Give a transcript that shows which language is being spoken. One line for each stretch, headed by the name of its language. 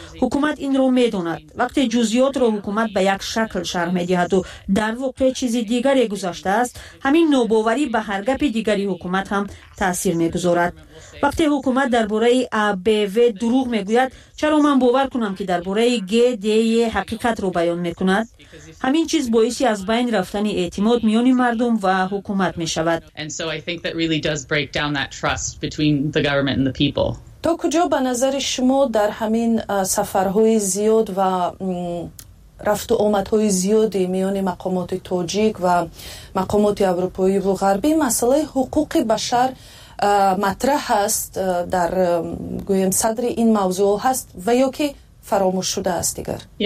Persian: حکومت این را می داند. وقتی جزئیات را حکومت به یک شکل شرح می دهد و در واقع چیزی دیگری گذاشته است، همین نوباوری به هر گپ دیگری حکومت هم تأثیر می گذارد. وقتی حکومت درباره ABV دروغ میگوید، چرا من باور کنم که درباره GDE حقیقت رو بیان میکند؟ همین چیز باعث از بین رفتن اعتماد میان مردم و حکومت میشود.
English: And so I think that really does break down that trust between the government and the people.
Persian: تو کجا به نظر شما در همین سفرهای زیاد و رفت و آمدهای زیاد میان مقامات تاجیک و مقامات اروپایی و غربی مسئله حقوق بشر مطرح هست در گویم صدر این موضوع هست و یا که فراموش شده است دیگر؟